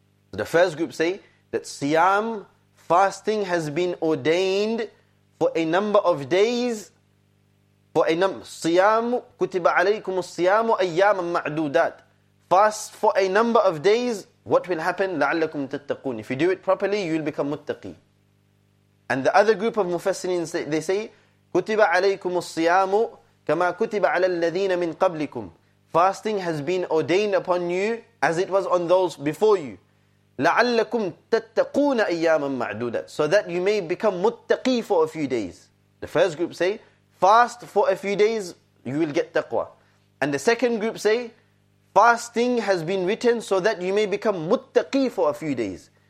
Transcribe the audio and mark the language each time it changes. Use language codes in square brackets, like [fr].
[en] The first group say that siyam, fasting, has been ordained for a number of days. [ar] كُتِبَ عَلَيْكُمُ الصِّيَامُ أَيَّامًا مَعْدُودَاتٍ. [en] Fast for a number of days, what will happen? [ar] لَعَلَّكُمْ تَتَّقُونَ. [en] If you do it properly, you will become muttaqi. And the other group of mufassirin, they say, [ar] كُتِبَ عَلَيْكُمُ الصِّيَامُ كَمَا كُتِبَ عَلَى الَّذِينَ مِنْ قَبْلِكُمْ. [en] Fasting has been ordained upon you as it was on those before you. [ar] لَعَلَّكُمْ تَتَّقُونَ أَيَّامًا مَعْدُودًا. [en] So that you may become muttaqi for a few days. The first group say, fast for a few days, you will get taqwa. And the second group say, fasting has been written so that you may become muttaqi for a few days.